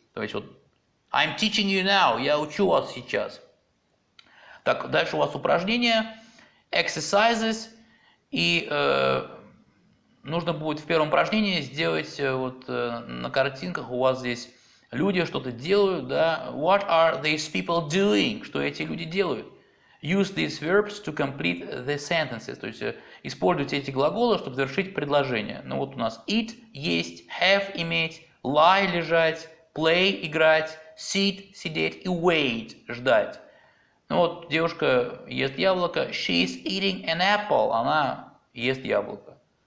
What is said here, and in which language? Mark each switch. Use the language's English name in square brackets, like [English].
[Russian] То есть вот [English] I'm teaching you now, [Russian] я учу вас сейчас. Так, дальше у вас упражнения, exercises, и нужно будет в первом упражнении сделать вот на картинках у вас здесь люди что-то делают, да? [English] What are these people doing? [Russian] Что эти люди делают? [English] Use these verbs to complete the sentences. [Russian] То есть используйте эти глаголы, чтобы завершить предложение. Ну вот у нас eat – есть, have – иметь, lie – лежать, play – играть, sit – сидеть и wait – ждать. Ну вот девушка ест яблоко. [English] She is eating an apple. [Russian] Она ест яблоко.